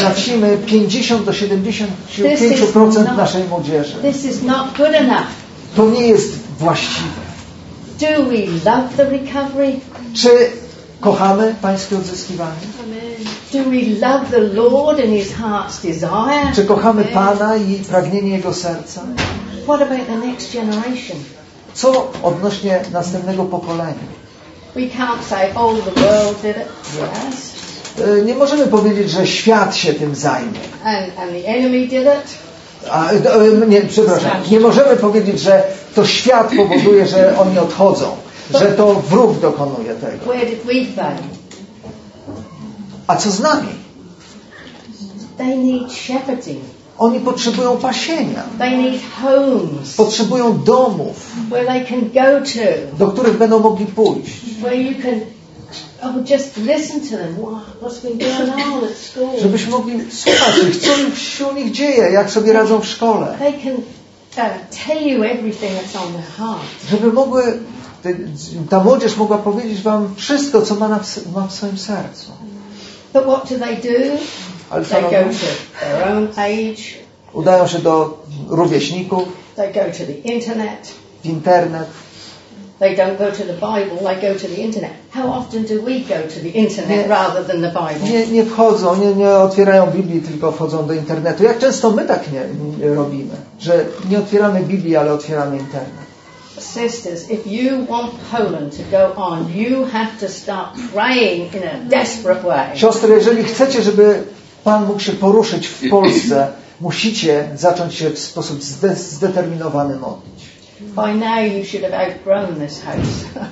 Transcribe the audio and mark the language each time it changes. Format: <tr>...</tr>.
<pl>Tracimy 50-75% naszej młodzieży.</pl> <en>This is not good enough.</en> <pl>To nie jest właściwe.</pl> <en>Do we love the recovery?</en> <pl>Czy kochamy pańskie odzyskiwanie?</pl> <en>Do we love the Lord and His heart's desire?</en> <pl>Czy kochamy Pana i pragnienie Jego serca?</pl> <en>What about the next generation?</en> <pl>Co odnośnie następnego pokolenia?</pl> <en>We can't say, oh, the world did it. Yes.</en> <pl>Nie możemy powiedzieć, że świat się tym zajmie.</pl> <en>And the enemy did it.</en> <pl>Nie możemy powiedzieć, że to świat powoduje, że oni odchodzą. Że to wróg dokonuje tego.</pl> <en>Where did we fail?</en> <pl>A co z nami?</pl> <en>They need shepherding.</en> <pl>Oni potrzebują pasienia.</pl> <en>They need homes.</en> <pl>Potrzebują domów,</pl> <en>where they can go to.</en> <pl>Do których będą mogli pójść.</pl> <en>Where you can, oh, just listen to them. What's been going on at school?</en> <pl>Żebyśmy mogli słuchać ich, co im się u nich dzieje, jak sobie radzą w szkole.</pl> <en>They can tell you everything that's on their heart.</en> <pl>Żeby mogły ta młodzież mogła powiedzieć wam wszystko, co ma, ma w swoim sercu.</pl> <en>But what do they do? They go to their own age.</en> <pl>Udają się do rówieśników.</pl> <en>They go to the internet.</en> <pl>W internet.</pl> <en>They don't go to the Bible, they go to the internet. How often do we go to the internet rather than the Bible?</en> <pl>Nie wchodzą, nie otwierają Biblii, tylko wchodzą do internetu. Jak często my tak nie robimy, że nie otwieramy Biblii, ale otwieramy internet.</pl> <en>Sisters, if you want Poland to go on, you have to start praying in a desperate way.</en> <pl>Siostry, jeżeli chcecie, żeby Pan mógł się poruszyć w Polsce, musicie zacząć się w sposób zdeterminowany modlić.</pl> <en>By now you should have outgrown this house.</en>